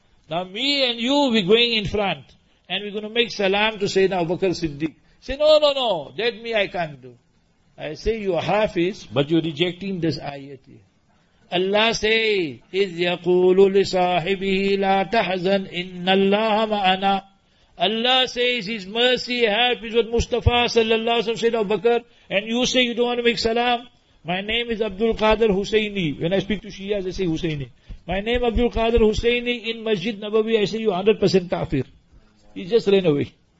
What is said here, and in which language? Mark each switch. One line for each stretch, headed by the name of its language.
English: Now me and you, we're going in front. And we're going to make salam to Sayyidina Abu Bakr Siddiq. Say, no, that me I can't do. I say, you are Hafiz, but you're rejecting this ayat here. Allah say,
Arabic: إِذْ يَقُولُ لِصَاحِبِهِ لَا تَحْزَنْ إِنَّ اللَّهَ مَعَنَا.
English: Allah says, His mercy, help is with Mustafa sallallahu alayhi wa sallam, Sayyidina Abu Bakr. And you say, you don't want to make salam. My name is Abdul Qadir Husseini. When I speak to Shias, I say Husseini. My name Abdul Qadir Husseini in Masjid Nabawi, I say you 100% kafir. He just ran away.